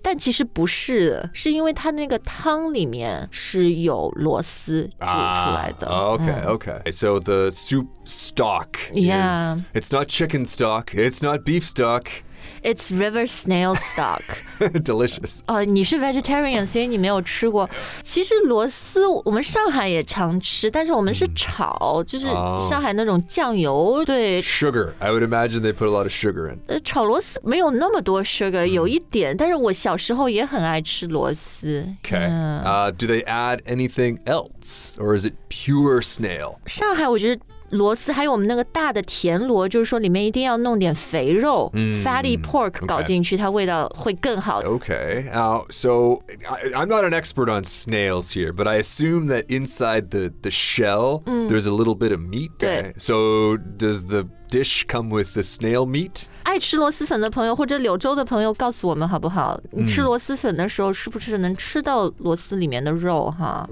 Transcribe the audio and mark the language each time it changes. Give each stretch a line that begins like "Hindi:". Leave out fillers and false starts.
Chinese: 但其实不是是因为它那个汤里面是有螺丝煮出来的。
English: Okay, okay. So the soup stock is,、 yeah. it's not chicken stock, it's not beef stock. It's river snail stock. Delicious.
Chinese: 你是 vegetarian, 所以你没有吃过。其实螺丝我们上海也常吃，但是我们是炒，就是上海那种酱油，对。
English: Sugar. I would imagine they put a lot of sugar in.
Chinese: 炒螺丝没有那么多 sugar, 有一点，但是我小时候也很爱吃螺丝。
English: Okay. Do they add anything else? Or is it pure snail?
Chinese: 上海我觉得螺丝还有我们那个大的田螺就是说里面一定要弄点肥肉、mm,
English: fatty pork、 okay.
Chinese: 搞进去它味道会更好
English: Okay, so I'm not an expert on snails here but I assume that inside the shell、mm. there's a little bit of meat so does the dish come with the snail meat?
Chinese: 爱吃螺丝粉的朋友或者柳州的朋友告诉我们好不好、mm. 你吃螺丝粉的时候是不是能吃到螺丝里面的肉哈